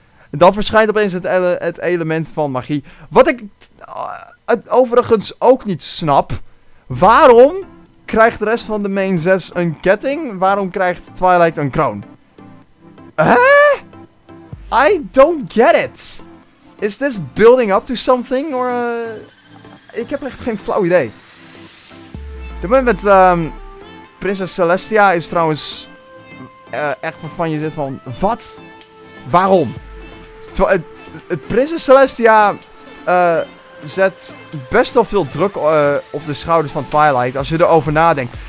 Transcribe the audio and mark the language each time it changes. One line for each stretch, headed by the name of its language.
Dutch: Dan verschijnt opeens het element van magie. Wat ik overigens ook niet snap. Waarom krijgt de rest van de main 6 een ketting? Waarom krijgt Twilight een kroon?
English: I don't get it. Is this building up to something? Or
Dutch: ik heb echt geen flauw idee. De moment met Prinses Celestia is trouwens echt waarvan je zit van, wat? Waarom? Prinses Celestia zet best wel veel druk op de schouders van Twilight. Als je erover nadenkt.